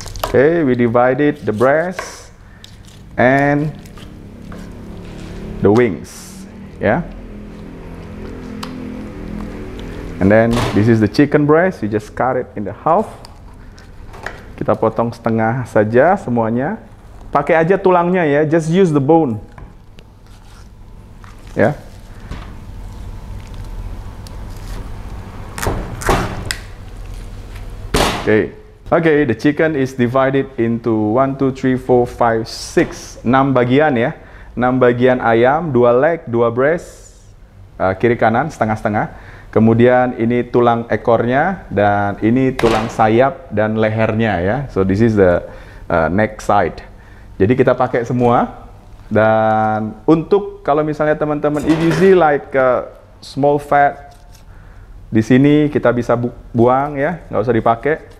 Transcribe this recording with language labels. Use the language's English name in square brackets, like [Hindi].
[English] Oke, okay, we divided the breast and the wings, ya. Yeah. And then this is the chicken breast. We just cut it in the half. [Indonesian] Kita potong setengah saja semuanya. Pakai aja tulangnya ya, [English] just use the bone. [Indonesian] Ya. [English] Okay. Okay, the chicken is divided into 1 2 3 4 5 6, [Indonesian] 6 bagian ya. 6 bagian ayam, 2 leg, 2 breast. Kiri kanan setengah-setengah. Kemudian ini tulang ekornya dan ini tulang sayap dan lehernya ya. [English] So this is the neck side. [Indonesian] Jadi kita pakai semua dan untuk kalau misalnya teman-teman EGZ [English] like small fat [Indonesian] di sini kita bisa buang ya, nggak usah dipakai.